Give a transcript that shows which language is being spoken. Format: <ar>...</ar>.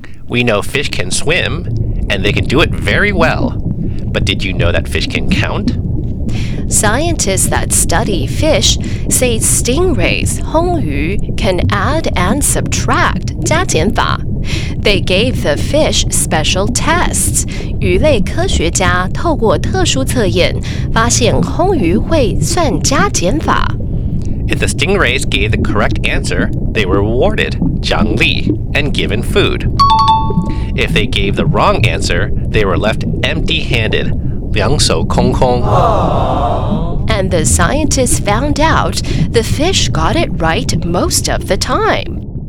<en>We know fish can swim, and they can do it very well. But did you know that fish can count? Scientists that study fish say stingrays, 红鱼, can add and subtract, 加减法. They gave the fish special tests.</en> <zh>鱼类科学家透过特殊测验发现红鱼会算加减法.</zh> <en>If the stingrays gave the correct answer, they were rewarded, 奖励, and given food. If they gave the wrong answer, they were left empty-handed,</en> <zh>两手空空</zh> <en>And the scientists found out the fish got it right most of the time.</en>